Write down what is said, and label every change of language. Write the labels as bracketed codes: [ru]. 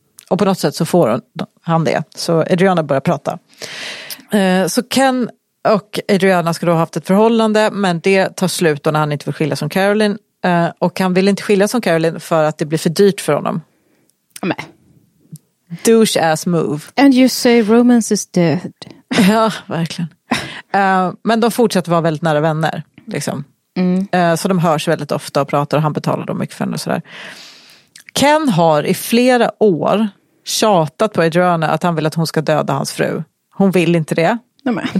[sv] Och på något sätt så får han det. Så Adriana börjar prata. Så Ken Och Adriana ska då ha haft ett förhållande, men det tar slut när han inte vill skilja som Caroline. Och han vill inte skilja som Caroline för att det blir för dyrt för honom. Nej. [en] Douche ass move. And you say romance is dead. [sv] Ja, verkligen. Men de fortsätter vara väldigt nära vänner. Liksom. Mm. Så de hörs väldigt ofta och pratar och han betalar dem mycket för henne och sådär. Ken har i flera år tjatat på Adriana att han vill att hon ska döda hans fru. Hon vill inte det. Men